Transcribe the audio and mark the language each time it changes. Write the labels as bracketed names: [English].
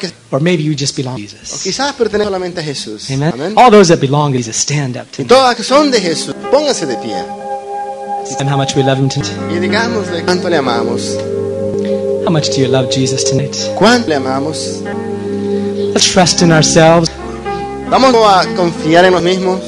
[English] Or maybe you just belong to Jesus. [Spanish] O quizás pertenece solamente a Jesús. [English] Amen. Amen. All those that belong to Jesus, stand up to [Spanish] y que son de Jesús, póngase de pie. [English] And how much we love him tonight. [Spanish] Y digámosle cuánto le amamos. [English] How much do you love Jesus tonight? [Spanish] ¿Cuánto le amamos? [English] Let's trust in ourselves. [Spanish] Vamos a confiar en nos mismos.